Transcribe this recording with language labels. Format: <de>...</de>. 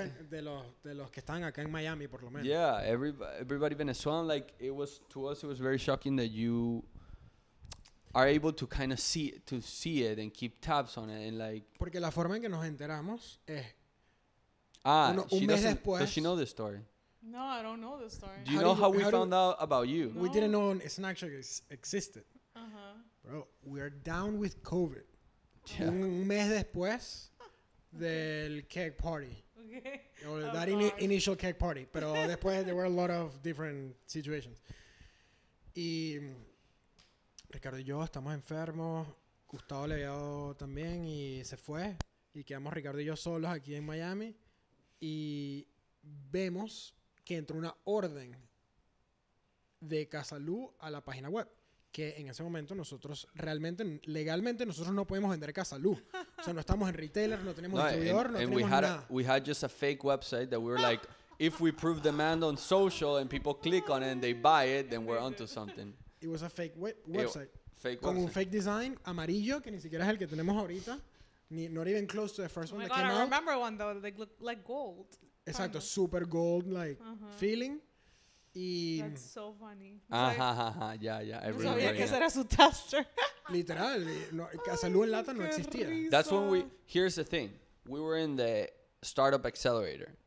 <es>De los que están acá en Miami, por lo menos.</es> <en>Yeah, everybody Venezuelan. Like, it was, to us, it was very shocking that you are able to kind of see it and keep tabs on it. And, like,</en> <es>porque la forma en que nos enteramos es un mes después.</es> <en>Does she know this story? No, I don't know this story. Do you know how we found out about you? No. We didn't know it's not actually existed. Uh-huh. Bro, we're down with COVID. Yeah.</en> <es>Un mes después del</es> <en>keg party. Okay. Or that initial keg party.</en> <es>Pero después</es> <en>there were a lot of different situations.</en> <es>Y Ricardo y yo estamos enfermos. Gustavo le había dado también y se fue. Y quedamos Ricardo y yo solos aquí en Miami. Y vemos que entró una orden de Casalú a la página web. Que en ese momento nosotros realmente, legalmente, nosotros no podemos vender Casalú. O sea, no estamos en retailer, no tenemos distribuidor, no tenemos nada.</es> <en>We had just a fake website that we were like, if we prove demand on social and people click on it and they buy it, then we're onto something. It was a fake website. Fake</en> <es>con</es> <en>website.</en> <es>Un fake design amarillo, que ni siquiera es el que tenemos ahorita.</es> <en>Not even close to the first one that came out. Oh my God, I remember one though. They look like gold.</en> <es>Exacto,</es> <en>kinda. Super gold, like, uh-huh, feeling. That's so funny. Yeah.</en> <es>Sabía que era su tester. Literal. Casalú en lata no existía.</es> <en>That's when we... Here's the thing. We were in the startup accelerator.</en>